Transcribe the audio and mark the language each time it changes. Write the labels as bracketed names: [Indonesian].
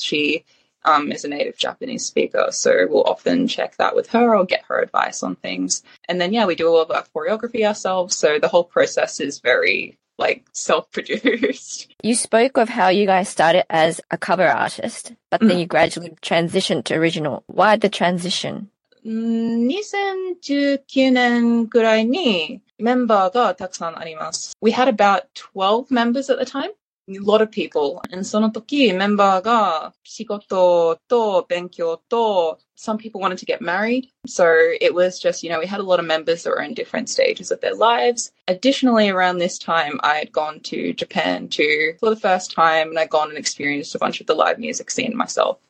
[English] She is a native Japanese speaker, so we'll often check that with her or get her advice on things. And then, yeah, we do all of our choreography ourselves, so the whole process is very, like, self-produced. You spoke of how you guys started as a cover artist, but then you gradually transitioned to original. Why the transition? [Japanese] 2019年ぐらいにメンバーがたくさんあります。 [English] We had about 12 members at the time, a lot of people. And [Japanese] その時メンバーが仕事と勉強と [English] some people wanted to get married. So it was just, you know, we had a lot of members that were in different stages of their lives. Additionally, around this time, I had gone to Japan too for the first time and I'd gone and experienced a bunch of the live music scene myself.